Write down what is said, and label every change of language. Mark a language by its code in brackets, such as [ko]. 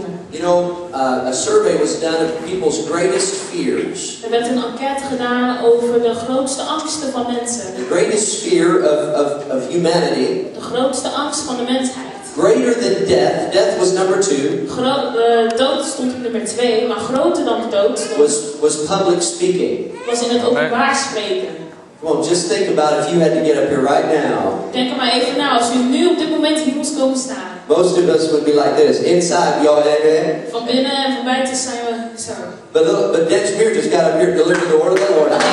[en] You know, a survey was done of people's greatest fears. [nl] Er werd een enquête gedaan over de grootste angsten van mensen. [en] The greatest fear of humanity. [nl] De grootste angst van de mensheid. [en] Greater than death. Death was number two. [nl] Dood stond op nummer 2, maar groter dan de dood stond. [en] Was public speaking. [nl] Was in het openbaar spreken. [en] Well, just think about if you had to get up here right now. [nl] Denk maar even na, als u nu op dit moment hier moest komen staan. [en] Most of us would be like this. Inside, y'all, amen. [nl] Van binnen en van buiten zijn we zo. [en] But that spirit just got up here to deliver the word of the Lord.